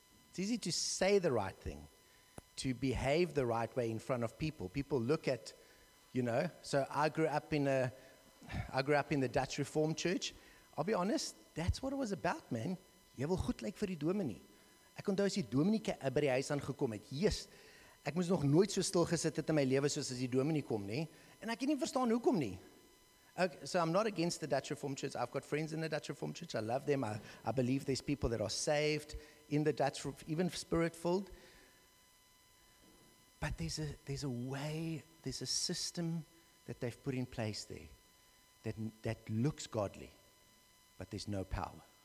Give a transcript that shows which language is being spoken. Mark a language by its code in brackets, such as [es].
[en] It's easy to say the right thing, to behave the right way in front of people. People look at, you know, so I grew up in the Dutch Reformed Church. I'll be honest, that's what it was about, man. [af] Jy wil goed lyk vir die dominee. Ek onthou as die dominee by die huis aangekom het, yes, ek moes nog nooit so stil gesit het in my lewe soos as die dominee kom, nee. [en] And I can't even understand [af] hoekom nie. [en] Okay, so I'm not against the Dutch Reformed Church. I've got friends in the Dutch Reformed Church. I love them. I believe there's people that are saved in the Dutch, even spirit-filled. But there's a way, there's a system that they've put in place there that looks godly, but there's no power.